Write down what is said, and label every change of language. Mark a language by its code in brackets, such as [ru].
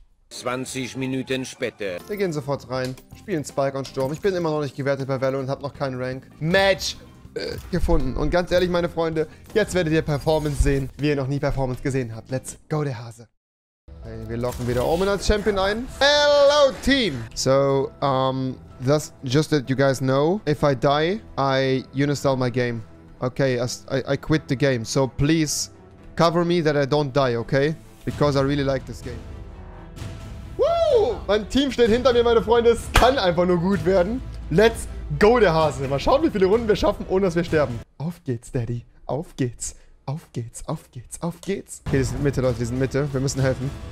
[de] 20 Minuten später. Wir gehen sofort rein, spielen Spike und Sturm. Ich bin immer noch nicht gewertet bei Valorant und habe noch keinen Rank. Match gefunden. Und ganz ehrlich, meine Freunde, jetzt werdet ihr Performance sehen, wie ihr noch nie Performance gesehen habt. [en] Let's go, [de] der Hase. Okay, wir locken wieder Omen als Champion ein. [en] Hello, Team! So, that's just that you guys know. If I die, I uninstall my game. Okay, I quit the game. So please cover me that I don't die, okay? Because I really like this game. [de] Mein Team steht hinter mir, meine Freunde. Es kann einfach nur gut werden. [en] Let's go, [de] der Hase. Mal schauen, wie viele Runden wir schaffen, ohne dass wir sterben. Auf geht's, Daddy. Auf geht's. Auf geht's. Auf geht's. Auf geht's. Okay, wir sind Mitte, Leute. Wir sind Mitte. Wir müssen helfen.